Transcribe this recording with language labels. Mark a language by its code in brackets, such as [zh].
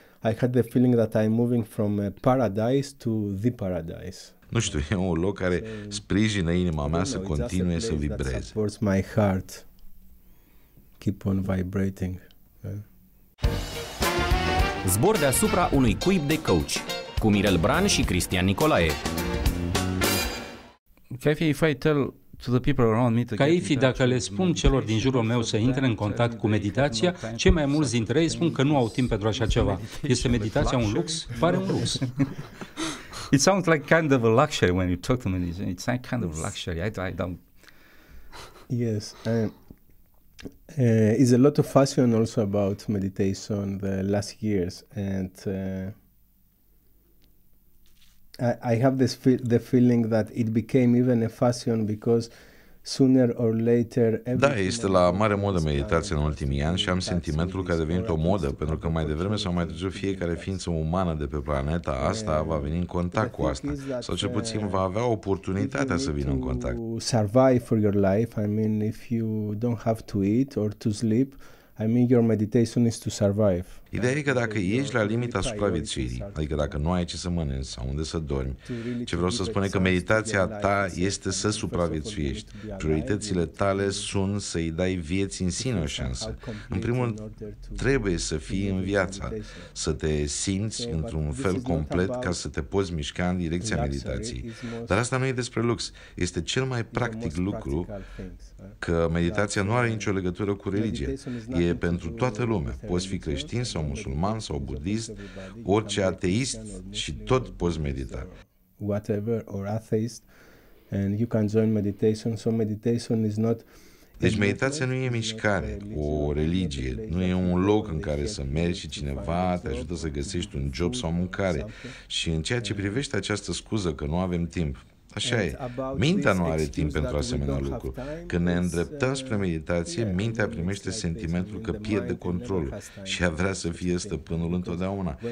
[en] I had the feeling that I'm moving from a paradise to the paradise. [ro] Nu știu, e un loc care sprijină inima mea să continue să vibreze. [en] Supports my heart. Keep on vibrating. [ro] Zbor deasupra unui cuib de coach cu Mirel Bran și Cristian Nicolae. [en] Cafe Fighter. [ro] Caifi, dacă le spun celor din jurul meu să intre în contact cu meditația, cei mai mulți dintre ei spun că nu au timp pentru așa ceva. Este meditația un lux? Pare un lux. [en] It sounds like kind of a luxury when you talk to me. It's like kind of a luxury. I don't... Yes. Is a lot of fashion also about meditation the last years. And... I have this the feeling that it became even a fashion because sooner or later everything. [ro] Da, este la mare modă meditația în ultimii ani și am sentimentul că a devenit o modă, pentru că mai devreme sau mai târziu fiecare ființă umană de pe planeta asta va veni în contact cu asta, sau cel puțin va avea oportunitatea să vină în contact. [en] To survive for your life, I mean, if you don't have to eat or to sleep, I mean, your meditation is to survive. [ro] Ideea e că dacă ești la limita supraviețuirii, adică dacă nu ai ce să mănânci sau unde să dormi, ce vreau să spun e că meditația ta este să supraviețuiești. Prioritățile tale sunt să îi dai vieții în sine o șansă. În primul rând, trebuie să fii în viața, să te simți într-un fel complet ca să te poți mișca în direcția meditației. Dar asta nu e despre lux. Este cel mai practic lucru că meditația nu are nicio legătură cu religie. E pentru toată lumea. Poți fi creștin sau musulman sau budist, orice ateist și tot poți medita. [en] Whatever or atheist and you can join meditation, so meditation is not. [ro] Deci meditația nu e mișcare, o religie, nu e un loc în care să mergi și cineva te ajută să găsești un job sau mâncare. Și în ceea ce privește această scuză că nu avem timp, așa e. Mintea nu are timp pentru asemenea lucru. Când ne îndreptăm spre meditație, mintea primește sentimentul că pierde controlul și ea vrea să fie stăpânul întotdeauna.